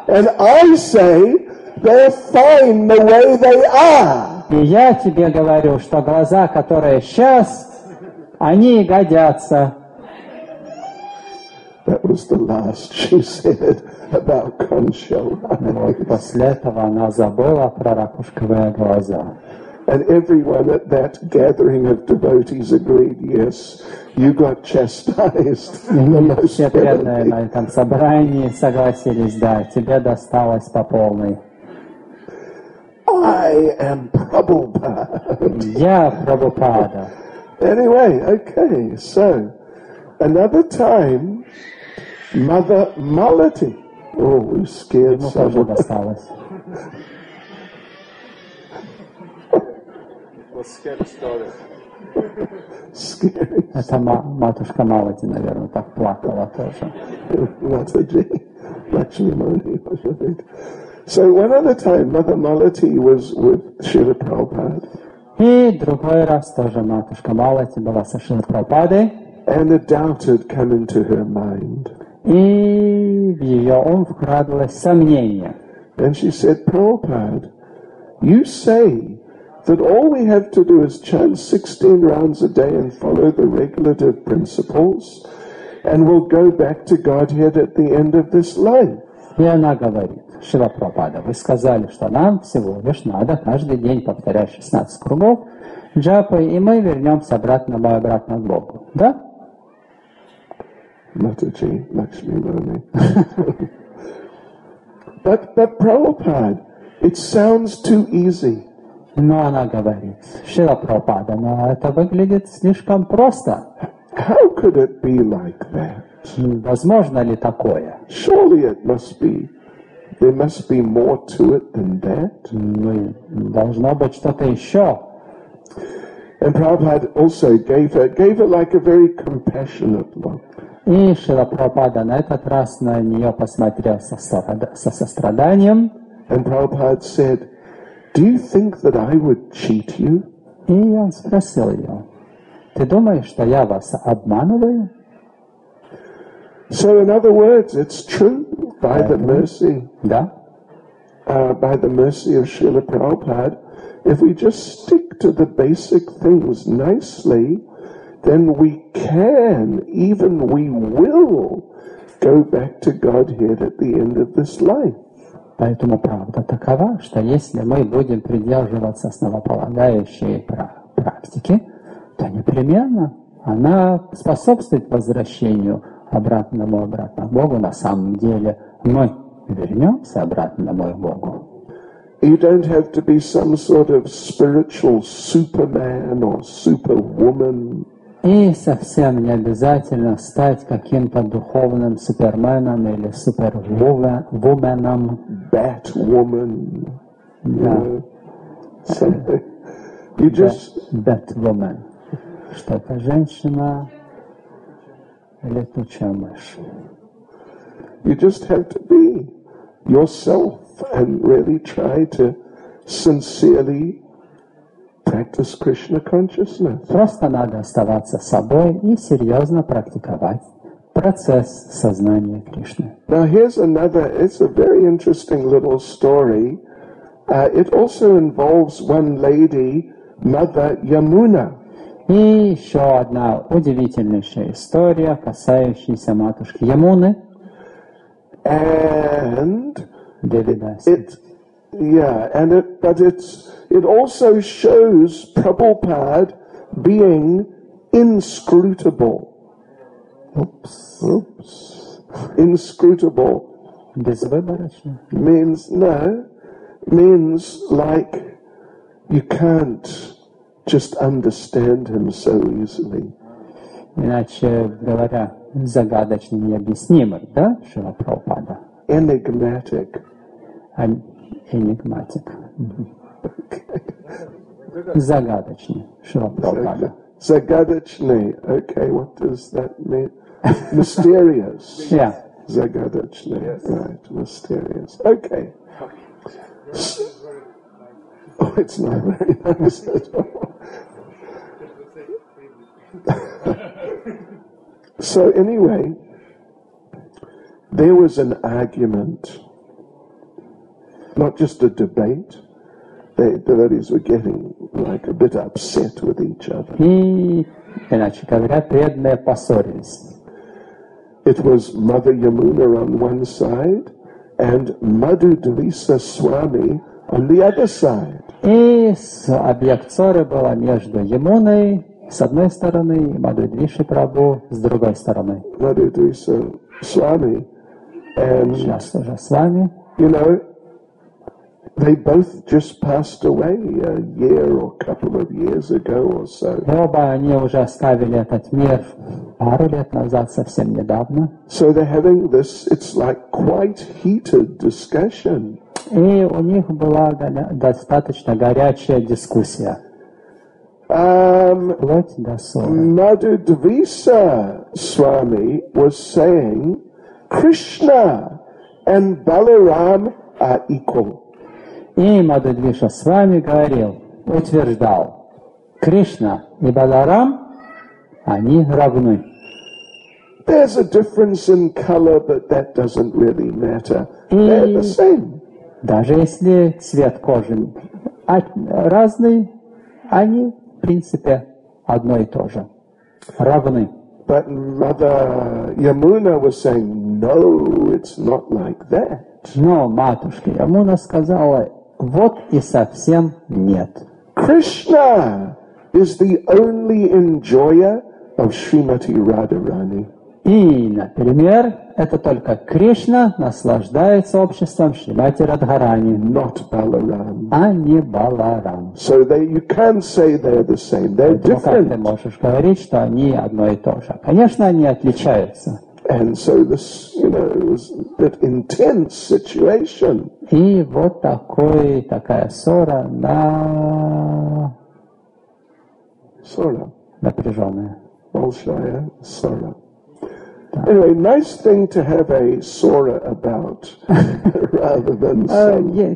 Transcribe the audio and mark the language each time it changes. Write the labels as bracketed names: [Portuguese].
[English] And I say they're fine the way they are. [Russian] И я тебе говорю, что глаза, которые сейчас, они годятся. [English] That was the last she said about conchal eyes. [Russian] Вот после этого она забыла про ракушковые глаза. [English] And everyone at that gathering of devotees agreed, yes, you got chastised. [Russian] Все преданные на этом собрании согласились, да, тебе досталось по полной. [English] I am Prabhupada. [Russian] Я Прабхупада. [English] Anyway, okay, so, another time, Mother Malati. Oh, we scared someone. Scary story. Scary. [Russian] Это матушка Малати, наверное, так плакала тоже. Матаджи, Лакшми Мони, может быть. [English] So one other time, Mother Malati was with Srila Prabhupada. [Russian] И другой раз тоже матушка Малати была со Шрилой Прабхупадой. [English] And a doubt had come into her mind. [Russian] И в ее ум вкрадывалось сомнение. [English] And she said, Prabhupada, you say that all we have to do is chant 16 rounds a day and follow the regulative principles, and we'll go back to Godhead at the end of this life. [Russian] И она говорит, Шрила Прабхупада, вы сказали, что нам всего лишь надо каждый день повторять 16 кругов джапы, и мы вернемся обратно к Богу. Да? Матаджи, Лакшми Мони. [English] But Prabhupada, it sounds too easy. [Russian] Но она говорит, Шрила Прабхупада, но это выглядит слишком просто. [English] How could it be like that? [Russian] Возможно ли такое? [English] Surely it must be. There must be more to it than that. [Russian] Должно быть что-то еще. [English] And Prabhupada also gave her like a very compassionate look. [Russian] И Шрила Прабхупада на этот раз на нее посмотрел со состраданием. [English] And Prabhupada said, do you think that I would cheat you? [Russian] И он спросил ее, ты думаешь, что я вас обманываю? [English] So in other words, it's true, by the mercy. [Russian] Да. [English] By the mercy of Srila Prabhupada, if we just stick to the basic things nicely, then we can, even we will, go back to Godhead at the end of this life. [Russian] Поэтому правда такова, что если мы будем придерживаться основополагающей практики, то непременно она способствует возвращению обратно к Богу. На самом деле мы вернемся обратно к Богу. [English] You don't have to be some sort of spiritual superman or superwoman. [Russian] И совсем не обязательно стать каким-то духовным суперменом или супервуменом. [English] Batwoman. [Russian] Да. [English] You just... Batwoman. [Russian] Что это женщина или тучая мышь? [English] You just have to be yourself and really try to sincerely practice Krishna consciousness. [Russian] Просто надо оставаться собой и серьезно практиковать процесс сознания Кришны. [English] Now here's another. It's a very interesting little story. It also involves one lady, Mother Yamuna. [Russian] И еще одна удивительнейшая история, касающаяся матушки Ямуны. [English] And [Russian] Девидаси. [English] It also shows Prabhupada being inscrutable. Oops. Inscrutable. [Russian] Безвыборочно. [English] Means like you can't just understand him so easily. [Russian] Иначе говоря, загадочный, необъяснимый, да, Шрила Прабхупада? [English] Enigmatic. Enigmatic. Okay. [Russian] Загадочный, Шрила Прабхупада. [English] Загадочный, okay, what does that mean? Mysterious. Yeah. [Russian] Загадочный, [English] yes. Right, mysterious, okay. Oh, it's not very nice at all. So anyway, there was an argument, not just a debate. The devotees were getting like a bit upset with each other. [Russian] Иначе говоря, преданные поссорились. [English] It was Mother Yamuna on one side and Madhu Dvisa Swami on the other side. [Russian] И объект ссоры был между Ямуной с одной стороны, Мадху Дриши Прабху с другой стороны. Мадху Дриши Свами. Часто же Свами. [English] You know, they both just passed away a year or a couple of years ago or so. [Russian] Оба они уже оставили этот мир пару лет назад, совсем недавно. [English] So they're having this, it's like quite heated discussion. [Russian] И у них была достаточно горячая дискуссия. [English] Madhu Dvisa Swami was saying Krishna and Balaram are equal. [Russian] И Madhu Dvisa Swami говорил, утверждал, Кришна и Баларам они равны. [English] There's a difference in color, but that doesn't really matter. They're the same. [Russian] Даже если цвет кожи разный, они в принципе, одно и то же. Равны. [English] But Mother Yamuna was saying, no, it's not like that. [Russian] Но матушка Ямуна сказала, вот и совсем нет. [English] Krishna is the only enjoyer of Srimati Radharani. [Russian] И, например, это только Кришна наслаждается обществом Шримати Радхарани. [English] Not Balaram. [Russian] А не Баларам. [English] So they, you can't say they're the same. They're different. [Russian] Как ты можешь говорить, что они одно и то же? Конечно, они отличаются. [English] And so this, you know, was a bit intense situation. [Russian] И вот такая ссора на... Ссора. Напряженная. Большая ссора. [English] Anyway, nice thing to have a sora about, rather than some...